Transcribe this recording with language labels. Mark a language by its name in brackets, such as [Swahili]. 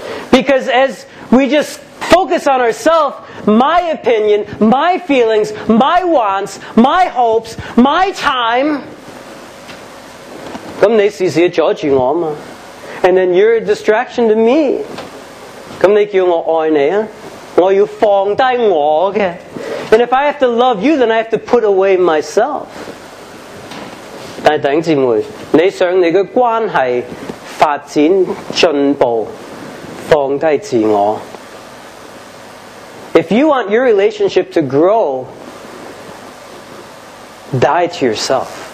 [English] Because as we just focus on ourselves my opinion my feelings my wants my hopes my time [Cantonese] 咁你时时阻住我嘛 [English] ，and then you're a distraction to me。 [Cantonese] 咁你叫我爱你啊？我要放低我嘅 [English] ，and if I have to love you, then I have to put away myself。 [Cantonese] 但系弟兄姊妹，你想你嘅关系发展进步，放低自我。 [English] If you want your relationship to grow, die to yourself。